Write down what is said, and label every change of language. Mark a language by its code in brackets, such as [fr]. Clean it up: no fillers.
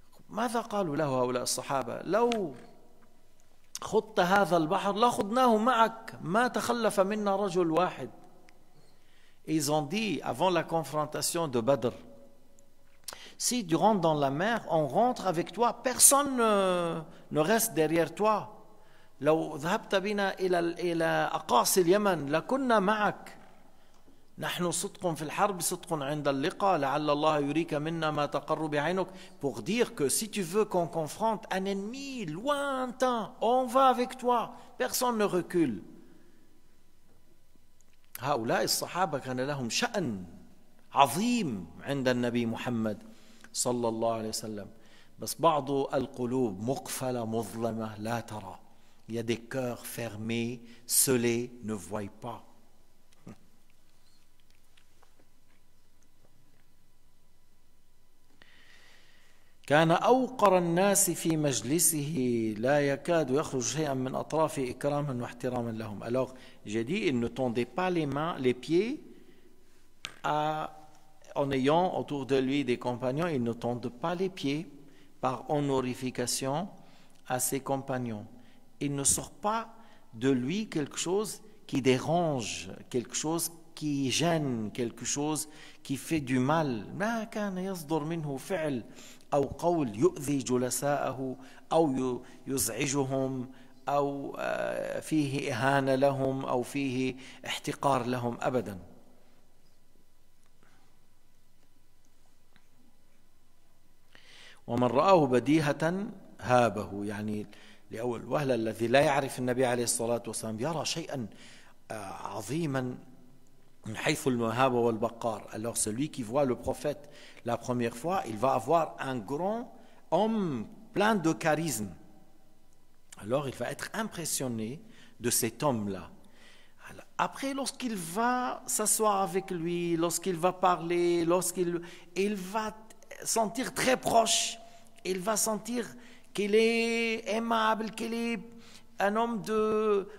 [ar] ماذا قالوا له هؤلاء الصحابة لو خضت هذا البحر لخضناه معك ما تخلف منا رجل واحد. [fr] Ils ont dit avant la confrontation de Badr, si tu rentres dans la mer, on rentre avec toi, personne ne reste derrière toi. [ar] لو ذهبت بنا إلى أقاصي اليمن لكنا معك. نحن صدق في الحرب صدق عند اللقاء لعل الله يريك منا ما تقر بعينك. [fr] Pour dire que si tu veux qu'on confronte un ennemi lointain, on va avec toi. Personne ne recule. [ar] هؤلاء الصحابة كان لهم شأن عظيم عند النبي محمد صلى الله عليه وسلم. بس بعض القلوب مقفلة مظلمة لا ترى. [fr] Il y a des cœurs fermés, scellés, ne voient pas. [ar] كان أوقر الناس في مجلسه لا يكاد يخرج شيئا من أطراف إكراما واحتراما لهم. [fr] Alors, j'ai dit, il ne tendait pas les mains, les pieds, en ayant autour de lui des compagnons, il ne tendait pas les pieds par honorification à ses compagnons. Il ne sort pas de lui quelque chose qui dérange, quelque chose qui gêne, quelque chose qui fait du mal. [ar] ما كان يصدر منه فعل أو قول يؤذي جلساءه أو يزعجهم أو فيه إهانة لهم أو فيه احتقار لهم أبدا. ومن رآه بديهة هابه. يعني لأول وهلة الذي لا يعرف النبي عليه الصلاة والسلام يرى شيئا عظيما من حيث المهابة والبقار. [fr] Alors celui qui voit le prophète la première fois, il va avoir un grand homme plein de charisme. Alors il va être impressionné de cet homme-là. Après, lorsqu'il va s'asseoir avec lui, lorsqu'il va parler, lorsqu'il va sentir très proche, il va sentir qu'il est aimable, qu'il est un homme de...